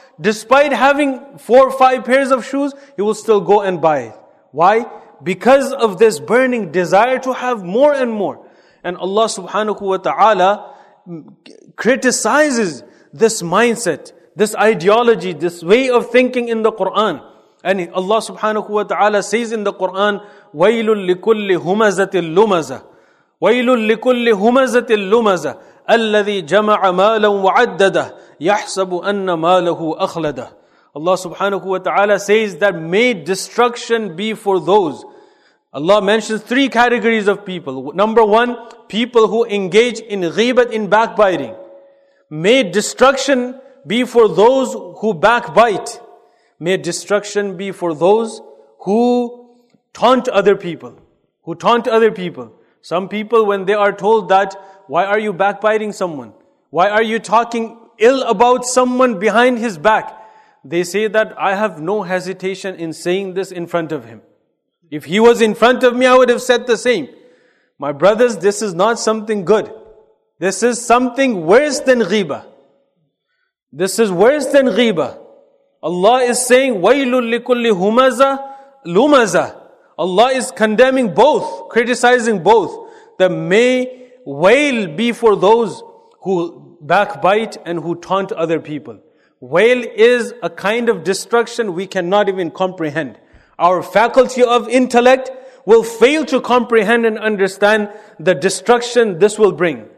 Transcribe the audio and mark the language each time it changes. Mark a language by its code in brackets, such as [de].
[en] Despite having 4 or 5 pairs of shoes, he will still go and buy it. Why? Because of this burning desire to have more and more. And Allah subhanahu wa ta'ala criticizes this mindset, this ideology, this way of thinking in the Quran. And Allah subhanahu wa ta'ala says in the Quran, [ar] وَيْلٌ لِكُلِّ هُمَزَةٍ لُمَزَةٍ وَيْلٌ لِكُلِّ هُمَزَةٍ لُمَزَةٍ الَّذِي جَمَعَ مَالًا وَعَدَّدَهُ يَحْسَبُ أَنَّ مَالَهُ أَخْلَدَهُ. [en] Allah subhanahu wa ta'ala says that may destruction be for those. Allah mentions three categories of people. Number one, people who engage in ghibat, in backbiting. May destruction be for those who backbite. May destruction be for those who taunt other people. Who taunt other people. Some people, when they are told that, why are you backbiting someone? Why are you talking ill about someone behind his back? They say that I have no hesitation in saying this in front of him. If he was in front of me, I would have said the same. My brothers, this is not something good. This is something worse than ghibah. This is worse than ghibah. Allah is saying, [ar] وَيْلٌ لِكُلِّ هُمَزَةٍ لُمَزَةٍ. [en] Allah is condemning both, criticizing both. That may wail be for those who backbite and who taunt other people. Wail is a kind of destruction we cannot even comprehend. Our faculty of intellect will fail to comprehend and understand the destruction this will bring.